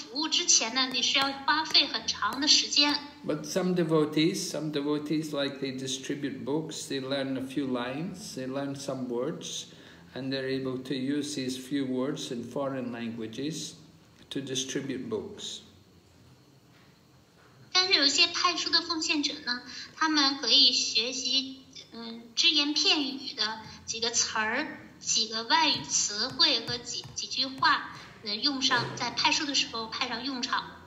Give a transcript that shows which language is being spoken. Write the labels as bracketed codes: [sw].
[zh] 比如说像学习一门新语言，它需要很长的时间，就是在你能够真正把它利用起来做服务之前呢，你是要花费很长的时间。 [en] But some devotees, like they distribute books, they learn a few lines, they learn some words, and they're able to use these few words in foreign languages to distribute books. [zh] 但是有些派出的奉献者呢，他们可以学习只言片语的几个词儿、几个外语词汇和几句话，用上在派出的时候派上用场。